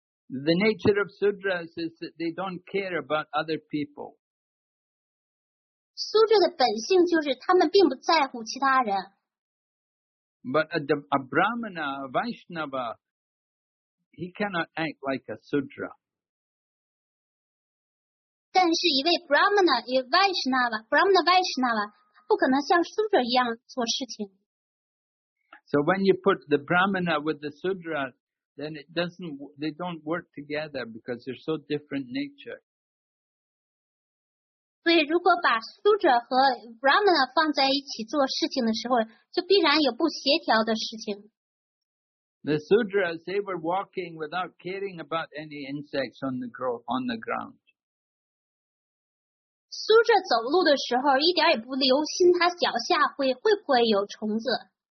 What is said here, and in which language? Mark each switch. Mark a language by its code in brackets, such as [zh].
[en] The nature of Sudras is that they don't care about other people. [zh] 苏哲的本性就是他们并不在乎其他人。 [en] But a Brahmana, a Vaishnava, he cannot act like a Sudra. [zh] 但是一位 Brahmana, 一位 Vaishnava, Brahmana Vaishnava, 他不可能像 Sudra 一样做事情。 [en] So when you put the Brahmana with the Sudra, then it doesn't, they don't work together because they're so different nature. [zh] 所以如果把 Sudra 和 Brahmana 放在一起做事情的时候，就必然有不协调的事情。 [en] The Sudras, they were walking without caring about any insects on the ground. [zh] Sudra 走路的时候一点也不留心他脚下会不会有虫子。